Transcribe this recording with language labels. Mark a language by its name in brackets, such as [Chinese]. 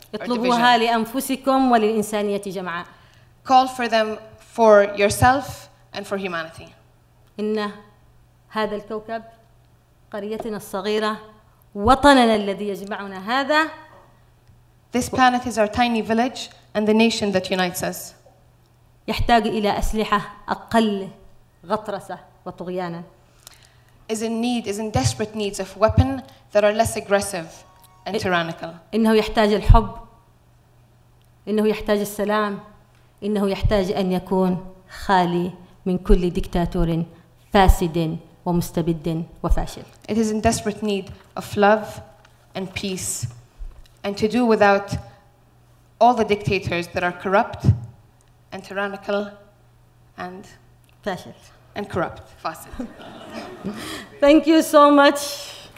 [Arabic] اطلبوها لأنفسكم وللإنسانية جمعاء. [English] Call for them for yourself and for humanity. [Arabic] إن هذا الكوكب قريتنا الصغيرة وطننا الذي يجمعنا هذا. [English] This planet is our tiny village and the nation that unites us. [Arabic] يحتاج إلى أسلحة أقل غطرسة وطغيانا. [English] Is in desperate needs of weapon that are less aggressive and tyrannical. [Arabic] إنه يحتاج الحب. إنه يحتاج السلام. إنه يحتاج أن يكون خالي من كل دكتاتور فاسد ومستبد وفاشل. [English] It is in desperate need of love and peace and to do without all the dictators that are corrupt and tyrannical and [Arabic] فاشل [English] and corrupt, fasid. Thank you so much.